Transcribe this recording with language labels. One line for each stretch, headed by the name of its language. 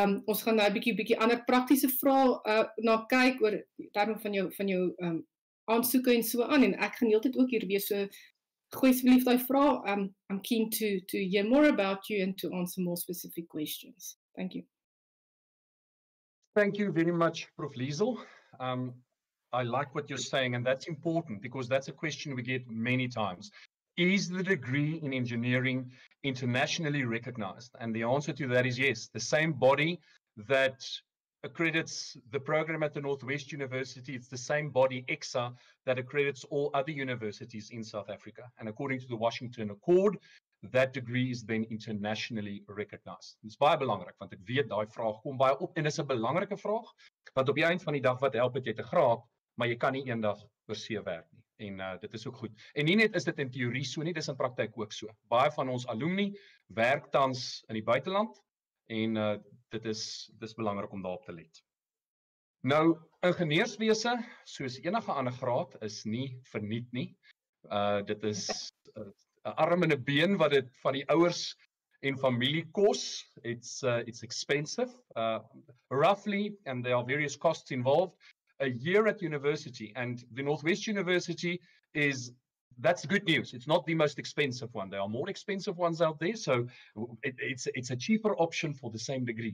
Afrikaans: Ons gaan nou bietjie ander praktiese vrae na kyk oor terme van jou aansoeke en so aan, en ek gaan heeltyd ook hier wees, so gooi asseblief daai vrae.
English: I'm keen to hear more about you and to answer more specific questions. Thank you. Thank you very much, Prof. Liezl. I like what you're saying, and that's important because that's a question we get many times. Is the degree in engineering internationally recognized? And the answer to that is yes. The same body that accredits the program at the Northwest University, it's the same body, ECSA, that accredits all other universities in South Africa. And according to the Washington Accord, that degree is then internationally recognized.
Afrikaans: Dis baie belangrik, want ek weet daai vraag kom baie op, en dis 'n belangrike vraag, want op die eind van die dag, wat help het jy te graad, maar jy kan nie eendag oor see werk nie. En dit is ook goed. En nie net is dit in teorie so nie, dis in praktyk ook so. Baie van ons alumni werk tans in die buiteland, en dit is belangrik om daarop te let. Nou, ingenieurswese, soos enige ander graad, is nie verniet nie. Dit is 'n arm en 'n been wat dit van die ouers en familie kos.
English: It's expensive. Roughly, and there are various costs involved, a year at university, and the Northwest University is, that's good news. It's not the most expensive one. There are more expensive ones out there, so it's a cheaper option for the same degree.